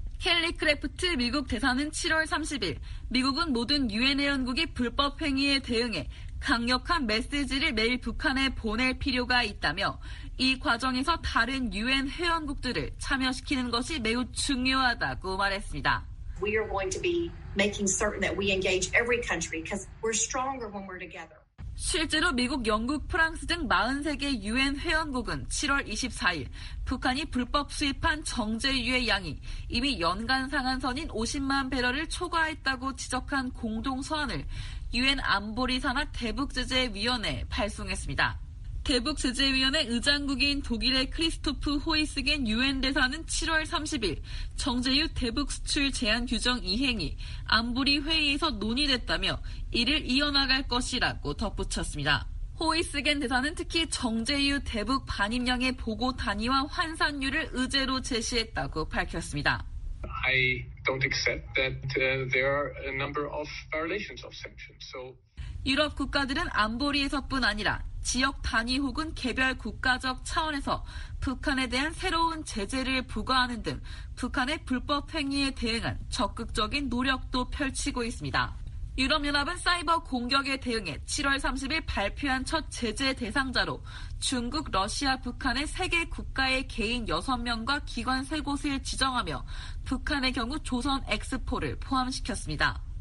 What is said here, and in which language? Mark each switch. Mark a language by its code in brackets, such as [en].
[ko] 켈리 크래프트 미국 대사는 7월 30일 미국은 모든 유엔 회원국이 불법 행위에 대응해 강력한 메시지를 매일 북한에 보낼 필요가 있다며 이 과정에서 다른 유엔 회원국들을 참여시키는 것이 매우 중요하다고 말했습니다. [en] We are going to be making certain that we engage every country because we're stronger when we're together. [ko] 실제로 미국, 영국, 프랑스 등 43개 유엔 회원국은 7월 24일 북한이 불법 수입한 정제유의 양이 이미 연간 상한선인 50만 배럴을 초과했다고 지적한 공동서한을 유엔 안보리 산하 대북제재위원회에 발송했습니다. 대북제재위원회 의장국인 독일의 크리스토프 호이스겐 유엔 대사는 7월 30일 정제유 대북수출 제한 규정 이행이 안보리 회의에서 논의됐다며 이를 이어나갈 것이라고 덧붙였습니다. 호이스겐 대사는 특히 정제유 대북 반입량의 보고 단위와 환산율을 의제로 제시했다고 밝혔습니다. [en] I don't accept that there are a number of violations of sanctions. So [ko] 유럽 국가들은 안보리에서뿐 아니라 지역 단위 혹은 개별 국가적 차원에서 북한에 대한 새로운 제재를 부과하는 등 북한의 불법 행위에 대응한 적극적인 노력도 펼치고 있습니다. 유럽연합은 사이버 공격에 대응해 7월 30일 발표한 첫 제재 대상자로 중국, 러시아, 북한의 3개 국가의 개인 6명과 기관 3곳을 지정하며 북한의 경우 조선 엑스포를 포함시켰습니다.